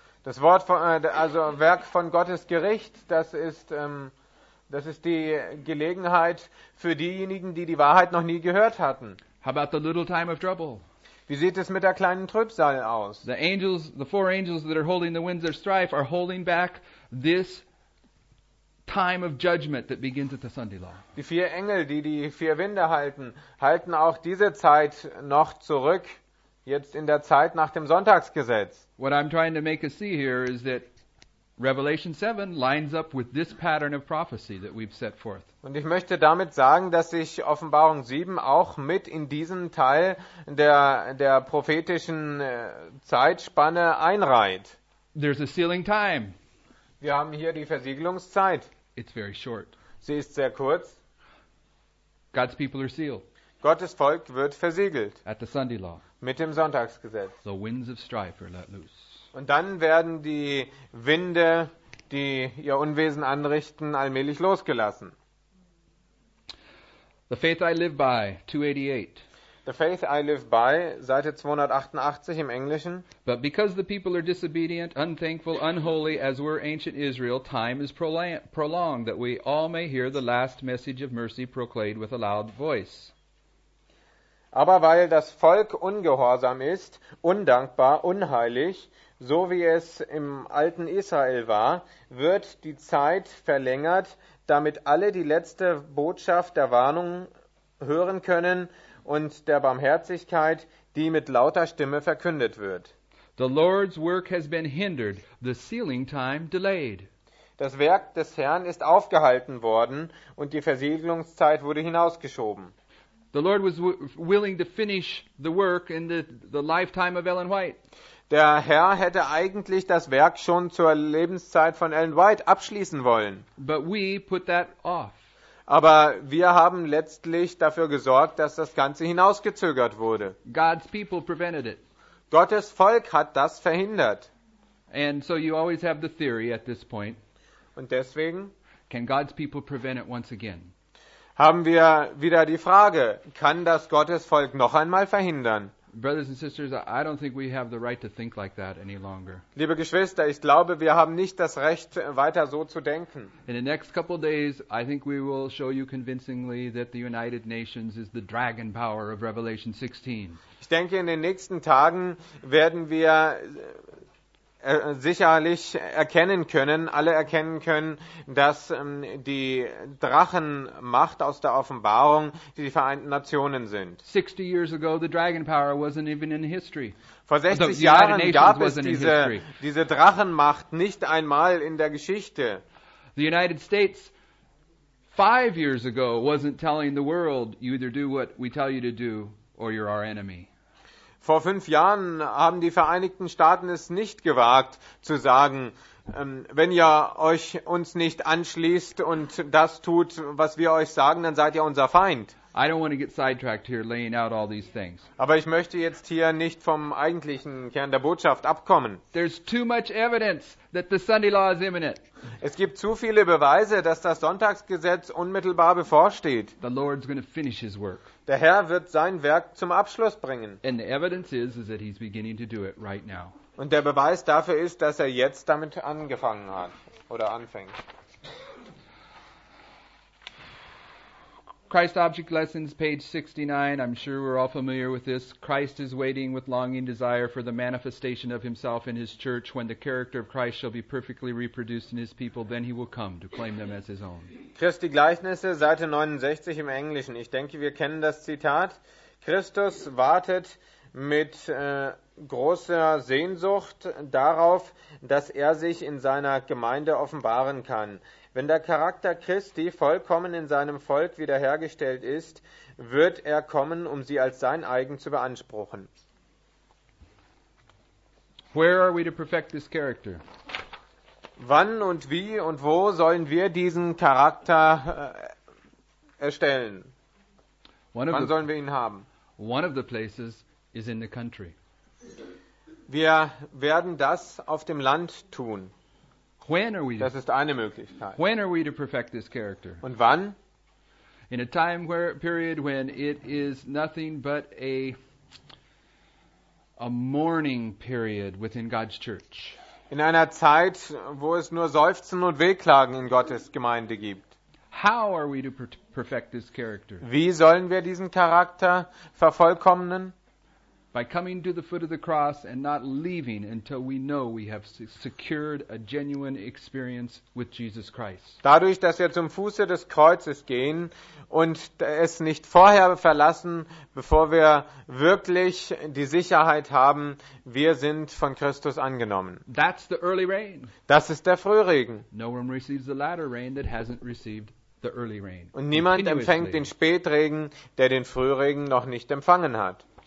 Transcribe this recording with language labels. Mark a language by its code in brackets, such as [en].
[de] Das Wort von, also Werk von Gottes Gericht, das ist die Gelegenheit für diejenigen, die die Wahrheit noch nie gehört hatten. [en] How about the little time of trouble? [de] Wie sieht es mit der kleinen Trübsal aus? [en] The angels, the four angels that are holding the winds of strife are holding back this time of judgment that begins at the Sunday law. [de] Die vier Engel, die vier Winde halten, halten auch diese Zeit noch zurück, jetzt in der Zeit nach dem Sonntagsgesetz. [en] What I'm trying to make us see here is that Revelation 7 lines up with this pattern of prophecy that we've set forth. [de] Und ich möchte damit sagen, dass sich Offenbarung 7 auch mit in diesen Teil der prophetischen Zeitspanne einreiht. [en] There's a sealing time. [de] Wir haben hier die Versiegelungszeit. [en] It's very short. [de] Sie ist sehr kurz. [en] God's people are sealed. [de] Gottes Volk wird versiegelt. [en] At the Sunday law. [de] Mit dem Sonntagsgesetz. [en] The winds of strife are let loose. [de] Und dann werden die Winde, die ihr Unwesen anrichten, allmählich losgelassen. [en] The Faith I Live By, 288. [de] The Faith I Live By, Seite 288 im Englischen. [en] But because the people are disobedient, unthankful, unholy, as were ancient Israel, time is prolonged, that we all may hear the last message of mercy proclaimed with a loud voice. [de] Aber weil das Volk ungehorsam ist, undankbar, unheilig, so wie es im alten Israel war, wird die Zeit verlängert, damit alle die letzte Botschaft der Warnung hören können und der Barmherzigkeit, die mit lauter Stimme verkündet wird. [en] The Lord's work has been hindered, the sealing time delayed. [de] Das Werk des Herrn ist aufgehalten worden und die Versiegelungszeit wurde hinausgeschoben. [en] The Lord was willing to finish the work in the lifetime of Ellen White. [de] Der Herr hätte eigentlich das Werk schon zur Lebenszeit von Ellen White abschließen wollen. [en] But we put that off. [de] Aber wir haben letztlich dafür gesorgt, dass das Ganze hinausgezögert wurde. [en] God's people prevented it. [de] Gottes Volk hat das verhindert. [en] And so you always have the theory at this point. [de] Und deswegen [en] can God's people prevent it once again? [de] Haben wir wieder die Frage, kann das Gottes Volk noch einmal verhindern? [en] Brothers and sisters, I don't think we have the right to think like that any longer. [de] Liebe Geschwister, ich glaube, wir haben nicht das Recht, weiter so zu denken. [en] In the next couple days, I think we will show you convincingly that the United Nations is the dragon power of Revelation 16. [de] Ich denke, in den nächsten Tagen werden wir sicherlich erkennen können, alle erkennen können, dass die Drachenmacht aus der Offenbarung die Vereinten Nationen sind. [en] 60 years ago the dragon power wasn't even in history. [de] Vor 60 Jahren gab es diese Drachenmacht nicht einmal in der Geschichte. [en] The United States 5 years ago wasn't telling the world you either do what we tell you to do or you're our enemy. [de] Vor 5 Jahren haben die Vereinigten Staaten es nicht gewagt zu sagen, wenn ihr euch uns nicht anschließt und das tut, was wir euch sagen, dann seid ihr unser Feind. [en] I don't want to get sidetracked here laying out all these things. [de] Aber ich möchte jetzt hier nicht vom eigentlichen Kern der Botschaft abkommen. [en] There's too much evidence that the Sunday law is imminent. [de] Es gibt zu viele Beweise, dass das Sonntagsgesetz unmittelbar bevorsteht. [en] The Lord's going to finish his work. [de] Der Herr wird sein Werk zum Abschluss bringen. [en] And the evidence is that he's beginning to do it right now. [de] Und der Beweis dafür ist, dass jetzt damit angefangen hat oder anfängt. [en] Christ Object Lessons, page 69. I'm sure we're all familiar with this. Christ is waiting with longing desire for the manifestation of himself in his church. When the character of Christ shall be perfectly reproduced in his people, then he will come to claim them as his own. [de] Christi Gleichnisse, Seite 69 im Englischen. Ich denke, wir kennen das Zitat. Christus wartet mit großer Sehnsucht darauf, dass sich in seiner Gemeinde offenbaren kann. Wenn der Charakter Christi vollkommen in seinem Volk wiederhergestellt ist, wird kommen, um sie als sein Eigen zu beanspruchen. [en] Where are we to perfect this character? [de] Wann und wie und wo sollen wir diesen Charakter erstellen? Wann sollen wir ihn haben? [en] One of the places is in the country. [de] Wir werden das auf dem Land tun. [en] When are we? [de] Das ist eine Möglichkeit. [en] When are we to perfect this character? [de] Und wann? [en] In a time where period when it is nothing but a mourning period within God's church. [de] In einer Zeit, wo es nur Seufzen und Wehklagen in Gottes Gemeinde gibt. [en] How are we to perfect this character? [de] Wie sollen wir diesen Charakter vervollkommnen? [en] By coming to the foot of the cross and not leaving until we know we have secured a genuine experience with Jesus Christ. [de] Dadurch, dass wir zum Fuße des Kreuzes gehen und es nicht vorher verlassen, bevor wir wirklich die Sicherheit haben, wir sind von Christus angenommen. [en] That's the early rain. [de] Das ist der Frühregen. [en] No one receives the latter rain that hasn't received the early rain. [de] Und niemand empfängt den Spätregen, der den Frühregen noch nicht empfangen hat.